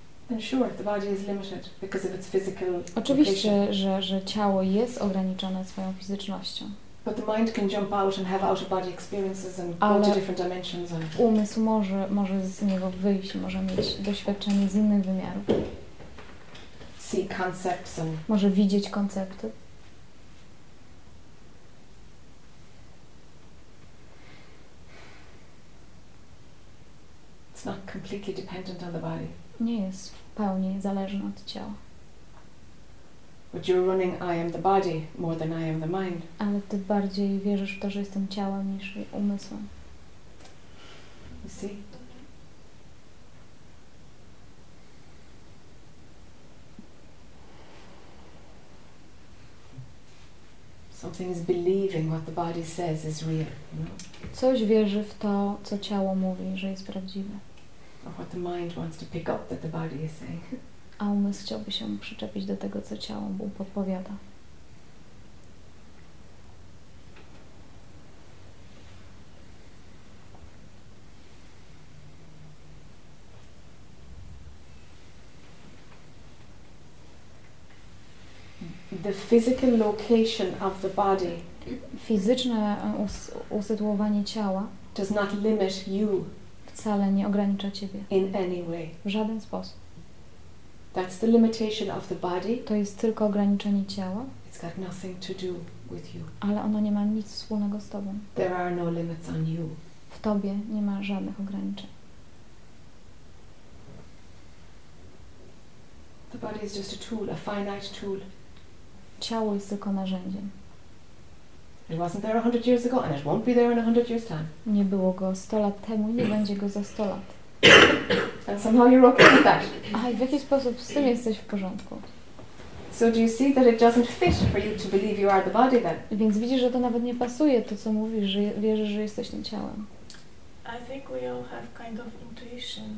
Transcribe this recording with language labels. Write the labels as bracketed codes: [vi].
[en] And sure, the body is limited because of its physical location. [pl] Oczywiście, że ciało jest ograniczone swoją fizycznością. [en] But the mind can jump out and have out-of-body experiences and [pl] ale [en] go to different dimensions. And [pl] umysł może z niego wyjść, może mieć doświadczenie z innych wymiarów. [en] See concepts and [pl] może widzieć koncepty. [en] It's not completely dependent on the body. [pl] Nie jest w pełni zależny od ciała. [en] But you're running I am the body more than I am the mind. [pl] Ale ty bardziej wierzysz w to, że jestem ciałem niż umysłem. [en] You see? Something is believing what the body says is real, you know? [pl] Coś wierzy w to, co ciało mówi, że jest prawdziwe. [en] What the mind wants to pick up that the body is saying. [pl] A umysł chciałby się przyczepić do tego, co ciało mu podpowiada. [en] The physical location of the body. [pl] Fizyczne usytuowanie ciała [en] does not limit you. [pl] Wcale nie ogranicza ciebie. [en] In any way. [pl] W żaden sposób. [en] That's the limitation of the body. [pl] To jest tylko ograniczenie ciała. [en] It's got nothing to do with you. [pl] Ale ono nie ma nic wspólnego z tobą. [en] There are no limits on you. [pl] W tobie nie ma żadnych ograniczeń. [en] The body is just a tool, a finite tool. [pl] Ciało jest tylko narzędziem. [en] It wasn't there 100 years ago and it won't be there in 100 years time. [pl] Nie było go 100 lat temu i nie będzie go za 100 lat. [en] And somehow you're okay with that. [pl] A w jaki sposób z tym jesteś w porządku? [en] So do you see that it doesn't fit for you to believe you are the body then? [pl] Więc widzisz, że to nawet nie pasuje to, co mówisz, że wierzysz, że jesteś tym ciałem. [en] I think we all have kind of intuition.